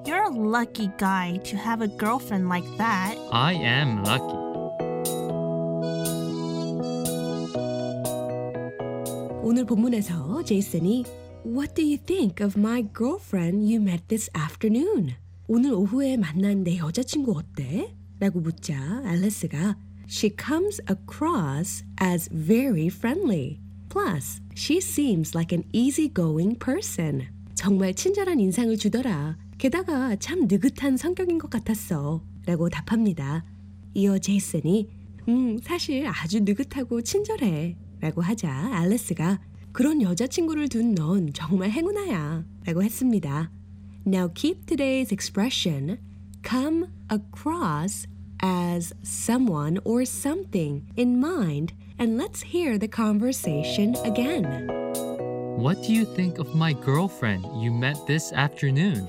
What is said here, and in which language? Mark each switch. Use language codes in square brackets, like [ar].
[en] You're a lucky guy to have a girlfriend like that. I am lucky. What do you think of my girlfriend you met this afternoon? [ko] 오늘 오후에 만난 내 여자친구 어때? 라고 묻자 앨리스가 [en] She comes across as very friendly. Plus, she seems like an easygoing person. [ko] 정말 친절한 인상을 주더라. 게다가 참 느긋한 성격인 것 같았어. 라고 답합니다. 이어 제이슨이 사실 아주 느긋하고 친절해. 라고 하자 앨리스가 그런 여자친구를 둔 넌 정말 행운아야 라고 했습니다. [en] Now keep today's expression come across as someone or something in mind and let's hear the conversation again. What do you think of my girlfriend you met this afternoon?